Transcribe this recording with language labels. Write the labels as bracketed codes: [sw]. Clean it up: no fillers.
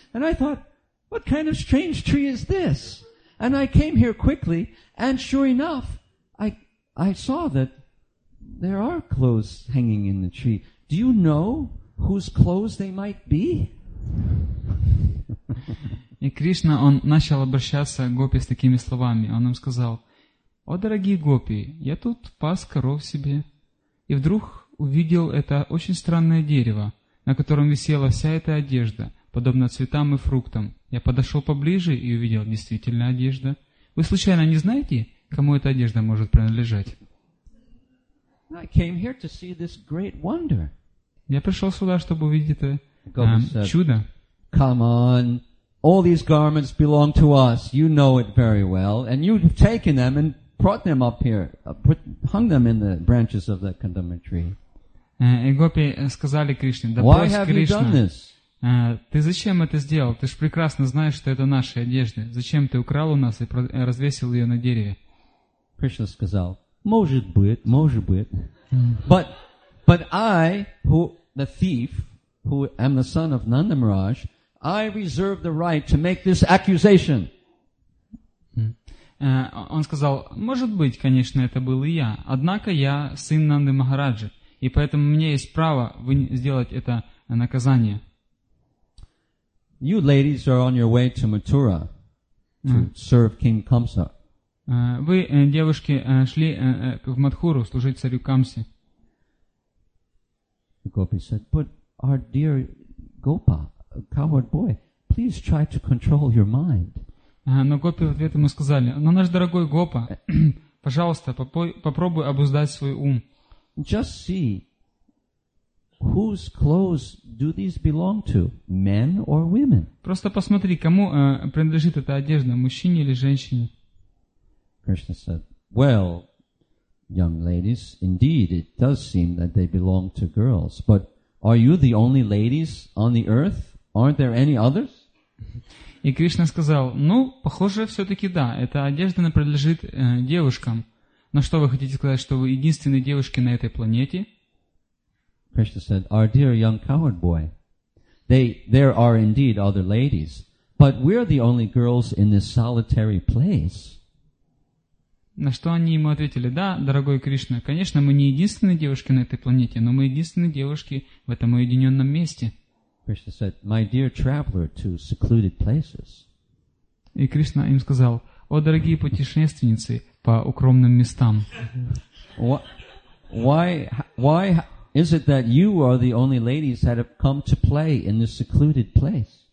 [en] And I thought, what kind of strange tree is this? And I came here quickly, and sure enough, I saw that there are clothes hanging in the tree. Do you know whose clothes they might be?" [ru] И Кришна, он начал обращаться к гопи с такими словами. Он им сказал, «О, дорогие гопи, я тут пас коров себе, и вдруг увидел это очень странное дерево, на котором висела вся эта одежда, подобно цветам и фруктам. Я подошел поближе и увидел действительно одежда. Вы случайно не знаете, кому эта одежда может принадлежать?» [en] I came here to see this great wonder. [ru] Я пришел сюда, чтобы увидеть это чудо. [en] Come on. All these garments belong to us. You know it very well. And you've taken them and brought them up here, hung them in the branches of that kandamba tree. [ru] И гопи сказали Кришне, да [en] Why have [ru] Кришна, [en] you done this? [ru] Ты зачем это сделал? Ты же прекрасно знаешь, что это наши одежды. Зачем ты украл у нас и развесил ее на дереве? Кришна сказал, может быть, может быть. [en] But I, who the thief, who am the son of Nanda Maharaj, I reserve the right to make this accusation. [ru] Он сказал, может быть, конечно, это был и я. Однако я сын Нанды Махараджи, и поэтому у меня есть право сделать это наказание. [en] You ladies are on your way to Mathura to serve King Kamsa. [ru] Вы, девушки, шли в Матхуру служить царю Камсе. [en] The gopi said, but our dear Gopa, coward boy, please try to control your mind. [ru] Но гопи в ответ ему сказали, но наш дорогой гопа, пожалуйста, попробуй обуздать свой ум. [en] Just see, whose clothes do these belong to, men or women? [ru] Просто посмотри, кому принадлежит эта одежда, мужчине или женщине. [en] Krishna said, well, young ladies, indeed, it does seem that they belong to girls, but are you the only ladies on the earth? Aren't there any others? [ru] И Кришна сказал, ну, похоже, все-таки да, эта одежда принадлежит девушкам. Но что вы хотите сказать, что вы единственные девушки на этой планете? [en] Krishna said, our dear young coward boy, there are indeed other ladies, but we're the only girls in this solitary place. [ru] На что они ему ответили, да, дорогой Кришна, конечно, мы не единственные девушки на этой планете, но мы единственные девушки в этом уединенном месте. [en] Krishna said, my dear traveler to secluded places. [ru] И Кришна им сказал, о, дорогие путешественницы по укромным местам. [en] Why is it that you are the only ladies that have come to play in this secluded place?